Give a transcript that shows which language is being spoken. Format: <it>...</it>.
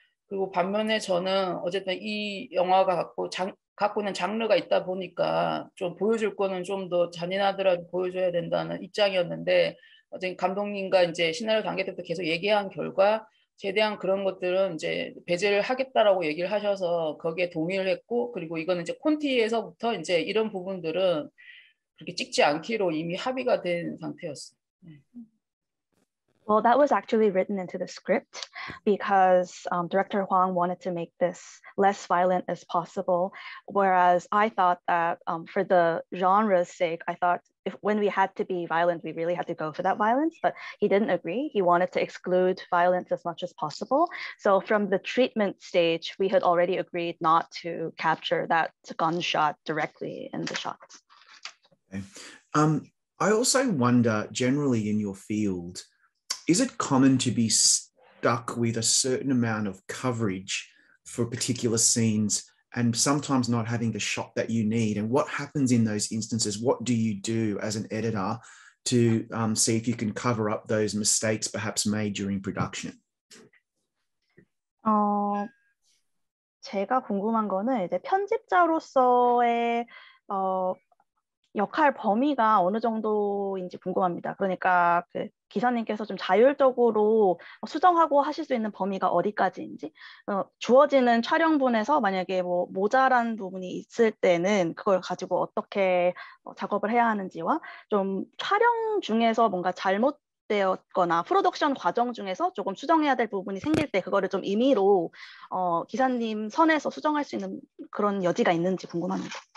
<ko>그리고 반면에 저는 어쨌든 이 영화가 갖고 있는 장르가 있다 보니까 좀 보여줄 거는 좀더 잔인하더라도 보여줘야 된다는 입장이었는데 어쨌든 감독님과 이제 시나리오 단계 때부터 계속 얘기한 결과 최대한 그런 것들은 이제 배제를 하겠다라고 얘기를 하셔서 거기에 동의를 했고, 그리고 이거는 이제 콘티에서부터 이제 이런 부분들은 그렇게 찍지 않기로 이미 합의가 된 상태였어요.</ko> <en>Well, that was actually written into the script because director Hwang wanted to make this less violent as possible. Whereas I thought that for the genre's sake, I thought if when we had to be violent, we really had to go for that violence. But he didn't agree. He wanted to exclude violence as much as possible. So from the treatment stage, we had already agreed not to capture that gunshot directly in the shots. I also wonder, generally in your field, is it common to be stuck with a certain amount of coverage for particular scenes and sometimes not having the shot that you need? And what happens in those instances? What do you do as an editor to see if you can cover up those mistakes perhaps made during production?</en> <ko>제가 궁금한 거는 이제 편집자로서의 역할 범위가 어느 정도인지 궁금합니다. 그러니까 그 기사님께서 좀 자율적으로 수정하고 하실 수 있는 범위가 어디까지인지, 주어지는 촬영분에서 만약에 뭐 모자란 부분이 있을 때는 그걸 가지고 어떻게 작업을 해야 하는지와 좀 촬영 중에서 뭔가 잘못 되었거나 프로덕션 과정 중에서 조금 수정해야 될 부분이 생길 때 그거를 좀 임의로 기사님 선에서 수정할 수 있는 그런 여지가 있는지 궁금합니다.</ko>